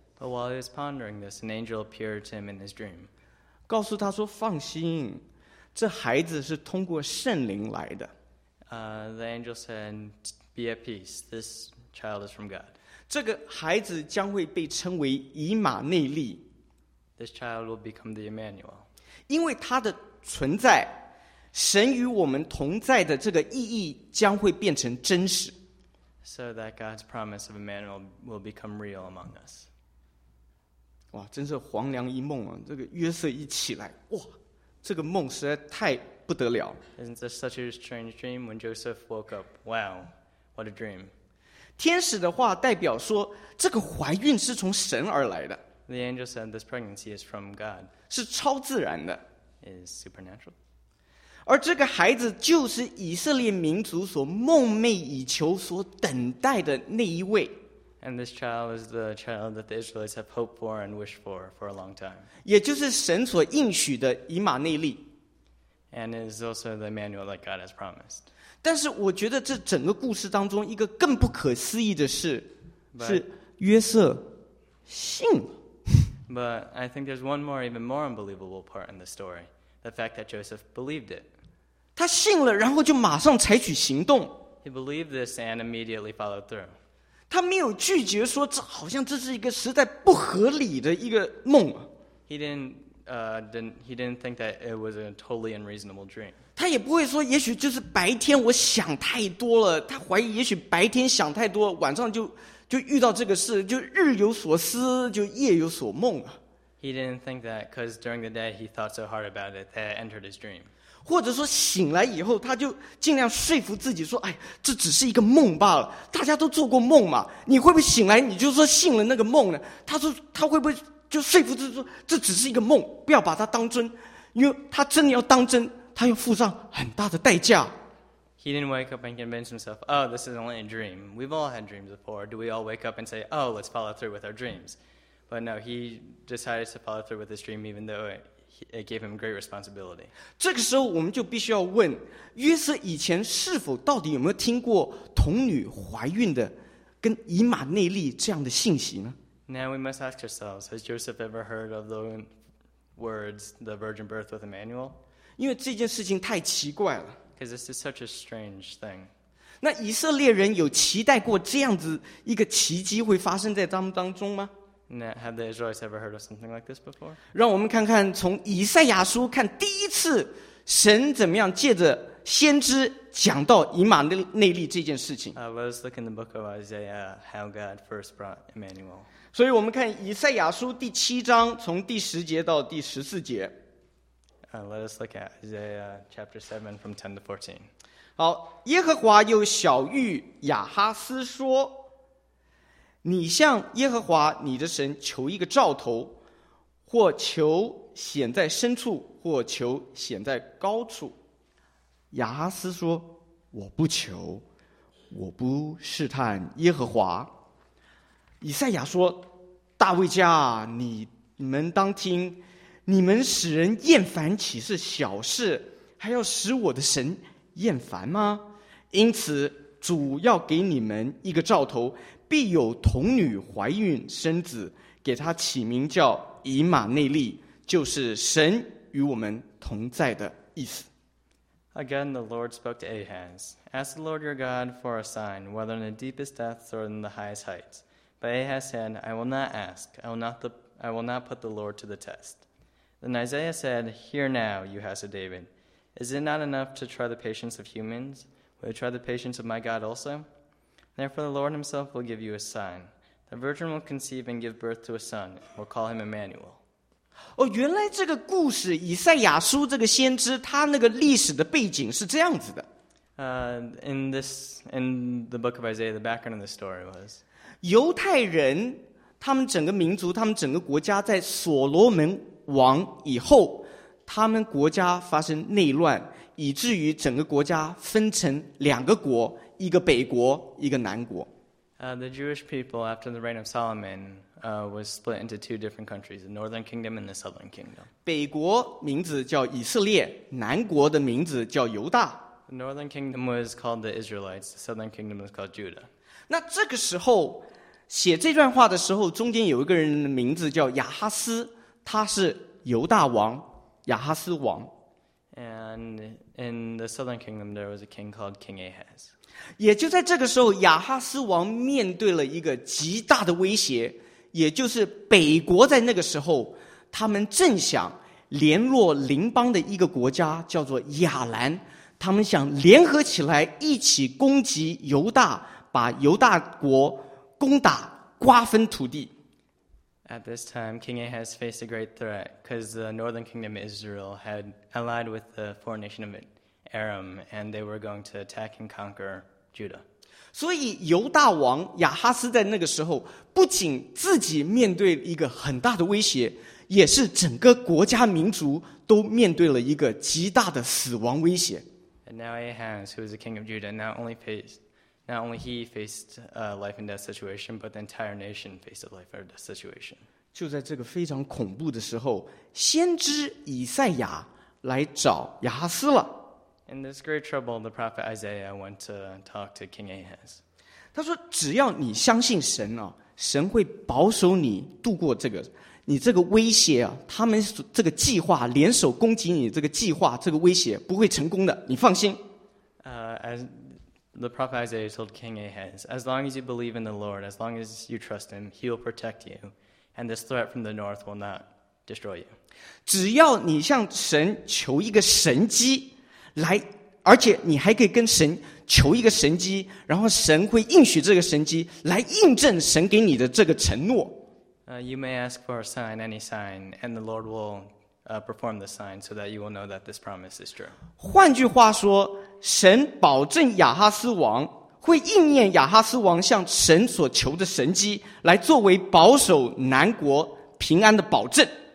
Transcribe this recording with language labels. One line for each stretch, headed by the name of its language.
English: But while he was pondering this, an angel appeared to him in his dream.
Chinese: 告诉他说，放心，这孩子是通过圣灵来的。
English: The angel said, be at peace, this child is from God.
Chinese: 这个孩子将会被称为以马内利。
English: This child will become the Emmanuel.
Chinese: 因为他的存在，神与我们同在的这个意义将会变成真实。
English: So that God's promise of Emmanuel will become real among us.
Chinese: 哇，真是黄粱一梦啊！这个约瑟一起来，哇，这个梦实在太不得了。
English: Isn't this such a strange dream when Joseph woke up? Wow, what a dream!
Chinese: 天使的话代表说，这个怀孕是从神而来的。
English: The angel said this pregnancy is from God.
Chinese: 是超自然的。
English: Is supernatural.
Chinese: 而这个孩子就是以色列民族所梦寐以求所等待的那一位。
English: And this child is the child that the Israelites have hoped for and wished for a long time.
Chinese: 也就是神所应许的以马内利。
English: And is also the Emmanuel that God has promised.
Chinese: 但是我觉得这整个故事当中一个更不可思议的事是约瑟信了。
English: But I think there's one more even more unbelievable part in the story, the fact that Joseph believed it.
Chinese: 他信了然后就马上采取行动。
English: He believed this and immediately followed through.
Chinese: 他没有拒绝说这好像这是一个实在不合理的一个梦。
English: He didn't think that it was a totally unreasonable dream.
Chinese: 他也不会说也许就是白天我想太多了，他怀疑也许白天想太多，晚上就遇到这个事，就日有所思，就夜有所梦。
English: He didn't think that because during the day he thought so hard about it that it entered his dream.
Chinese: 或者说醒来以后他就尽量说服自己说，哎，这只是一个梦罢了，大家都做过梦嘛，你会不会醒来你就说信了那个梦呢？他说他会不会就说服自己说这只是一个梦，不要把它当真，因为他真的要当真他要付上很大的代价。
English: He didn't wake up and convince himself, oh, this is only a dream. We've all had dreams before. Do we all wake up and say, oh, let's follow through with our dreams? But no, he decided to follow through with his dream even though it gave him great responsibility.
Chinese: 这个时候我们就必须要问，约瑟以前是否到底有没有听过童女怀孕的跟以马内利这样的信息呢？
English: Now we must ask ourselves, has Joseph ever heard of the words, the virgin birth with Emmanuel?
Chinese: 因为这件事情太奇怪了。
English: Because this is such a strange thing.
Chinese: 那以色列人有期待过这样子一个奇迹会发生在他们当中吗？
English: Now, have the Israelites ever heard of something like this before?
Chinese: 让我们看看从以赛亚书看第一次神怎么样借着先知讲到以马内利这件事情。
English: Let's look in the book of Isaiah how God first brought Emmanuel.
Chinese: 所以我们看以赛亚书第七章从第十节到第十四节。
English: Let us look at Isaiah chapter 7 from 10 to 14.
Chinese: 好，耶和华又晓谕亚哈斯说，你向耶和华你的神求一个兆头，或求显在深处，或求显在高处。亚哈斯说，我不求，我不试探耶和华。以赛亚说，大卫家，你们当听，你们使人厌烦岂是小事，还要使我的神厌烦吗？因此主要给你们一个兆头，必有童女怀孕生子，给他起名叫以马内利，就是神与我们同在的意思。
English: Again the Lord spoke to Ahaz, ask the Lord your God for a sign, whether in the deepest depths or in the highest heights. But Ahaz said, I will not ask, I will not put the Lord to the test. Then Isaiah said, Hear now, you house of David. Is it not enough to try the patience of humans? Will you try the patience of my God also? Therefore the Lord himself will give you a sign. The virgin will conceive and give birth to a son. We'll call him Emmanuel.
Chinese: 哦，原来这个故事，以赛亚书这个先知，他那个历史的背景是这样子的。
English: In the book of Isaiah, the background of the story was,
Chinese: 犹太人，他们整个民族，他们整个国家在所罗门王以后，他们国家发生内乱，以至于整个国家分成两个国，一个北国，一个南国。
English: The Jewish people after the reign of Solomon, was split into two different countries, the Northern Kingdom and the Southern Kingdom.
Chinese: 北国名字叫以色列，南国的名字叫犹大。
English: The Northern Kingdom was called the Israelites, the Southern Kingdom was called Judah.
Chinese: 那这个时候，写这段话的时候，中间有一个人的名字叫亚哈斯。他是犹大王，亚哈斯王。
English: And in the southern kingdom, there was a king called King Ahaz.
Chinese: 也就在这个时候，亚哈斯王面对了一个极大的威胁，也就是北国在那个时候，他们正想联络邻邦的一个国家，叫做亚兰，他们想联合起来一起攻击犹大，把犹大国攻打，瓜分土地。
English: At this time, King Ahaz faced a great threat because the northern kingdom of Israel had allied with the foreign nation of Aram, and they were going to attack and conquer Judah.
Chinese: 所以犹大王亚哈斯在那个时候不仅自己面对一个很大的威胁，也是整个国家民族都面对了一个极大的死亡威胁。
English: And now Ahaz, who is the king of Judah, not only he faced a life and death situation, but the entire nation faced a life and death situation.
Chinese: 就在这个非常恐怖的时候，先知以赛亚来找亚哈斯了。
English: In this great trouble, the prophet Isaiah went to talk to King Ahaz.
Chinese: 他说：“只要你相信神啊，神会保守你度过这个，你这个威胁啊，他们这个计划联手攻击你这个计划，这个威胁不会成功的，你放心。”
English: As the prophet Isaiah told King Ahaz, "As long as you believe in the Lord, as long as you trust Him, He will protect you, and this threat from the north will not destroy you."
Chinese: 只要你向神求一个神迹。来，而且你还可以跟神求一个神迹，然后神会应许这个神迹，来印证神给你的这个承诺。
English: You may ask for a sign, any sign, and the Lord will perform the sign so that you will know that this promise is true.
Chinese: 换句话说，神保证亚哈斯王会应验亚哈斯王向神所求的神迹，来作为保守南国平安的保证。